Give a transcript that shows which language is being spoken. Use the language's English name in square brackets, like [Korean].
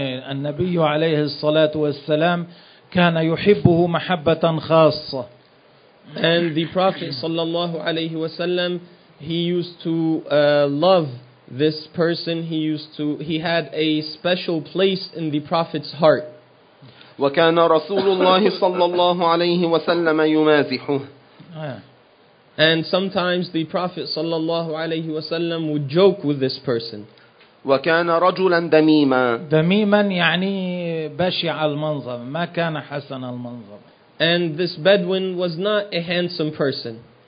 [Arabic] النبي عليه الصلاة والسلام كان يحبه محبة خاصة. [English] And the Prophet صلى الله عليه وسلم, he used to love this person. He had a special place in the Prophet's heart. [Arabic] وكان رسول الله صلى الله عليه وسلم يمازحه. [English] And sometimes the Prophet صلى الله عليه وسلم would joke with this person. [Arabic] وكان رجلا دميما. دميما يعني بشع المنظر, ما كان حسن المنظر. [English] And this Bedouin was not a handsome person.